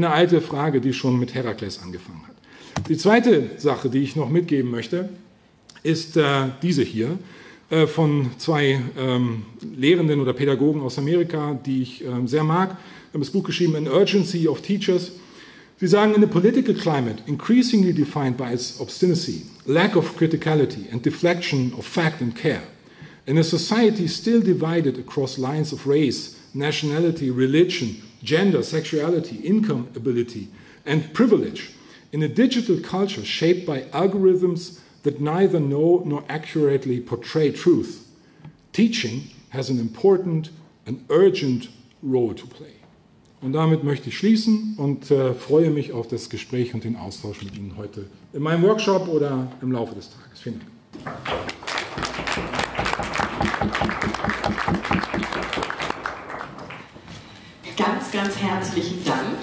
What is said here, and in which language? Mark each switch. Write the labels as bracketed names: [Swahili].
[German] Eine alte Frage, die schon mit Herakles angefangen hat. Die zweite Sache, die ich noch mitgeben möchte, ist diese hier von zwei Lehrenden oder Pädagogen aus Amerika, die ich sehr mag. Sie haben das Buch geschrieben, An Urgency of Teachers. Sie sagen, [English] in a political climate increasingly defined by its obstinacy, lack of criticality and deflection of fact and care, in a society still divided across lines of race, nationality, religion, gender, sexuality, income, ability and privilege, in a digital culture shaped by algorithms that neither know nor accurately portray truth, teaching has an important and urgent role to play. [German] Und damit möchte ich schließen und freue mich auf das Gespräch und den Austausch mit Ihnen heute in meinem Workshop oder im Laufe des Tages. Vielen Dank. Ganz, ganz herzlichen Dank.